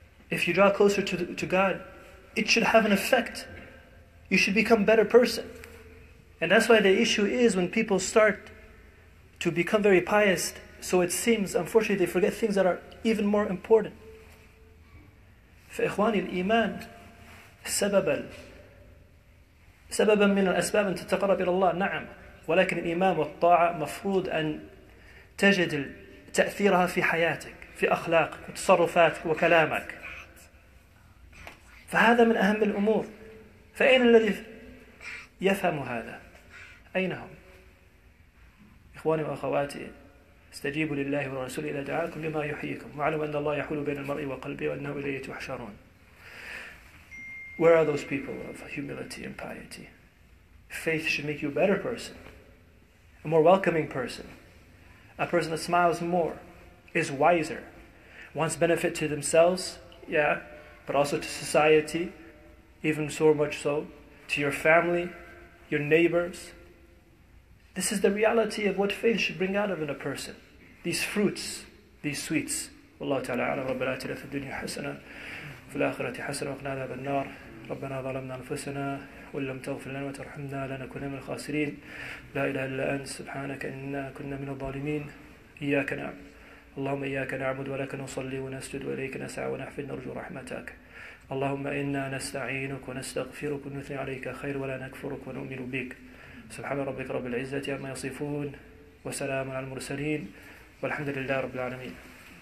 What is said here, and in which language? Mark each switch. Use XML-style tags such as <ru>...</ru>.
<en>If you draw closer to God, it should have an effect. You should become a better person. And that's why the issue is when people start to become very pious, so it seems, unfortunately, they forget things that are even more important.</en> <ar>فإخواني الإيمان سببا من الأسباب أن تتقرب إلى الله. نعم، ولكن الإيمان والطاعة مفروض أن تجد تأثيرها في حياتك، في أخلاقك وتصرفاتك وكلامك. فهذا من أهم الأمور. فأين الذي يفهم هذا؟ أين هم؟ إخواني وأخواتي، استجيبوا لله والرسول إذا دعاكم لما يحييكم، واعلموا أن الله يحول بين المرء وقلبه وأنه إليه تحشرون.</ar> <en>Where are those people of humility and piety? Faith should make you a better person, a more welcoming person, a person that smiles more, is wiser, wants benefit to themselves, yeah, but also to society, even so much so, to your family, your neighbors, This is the reality of what faith should bring out of in a person. These fruits, these sweets.</en> <ar>والله تعالى أعلم ربنا آتنا في الدنيا حسنة وفي الآخرة حسنة وقنا عذاب النار ربنا ظلمنا أنفسنا وإن لم تغفر لنا وترحمنا لنكونن من الخاسرين لا إله إلا أنت سبحانك إنا كنا من الظالمين إياك نعبد اللهم إياك نعبد ولك نصلي ونسجد وإليك نسعى ونحفل نرجو رحمتك اللهم إنا نستعينك ونستغفرك ونثني عليك خير ولا نكفرك ونؤمن بك سبحان ربك رب العزة عما يصفون وسلام على المرسلين والحمد لله رب العالمين.</ar>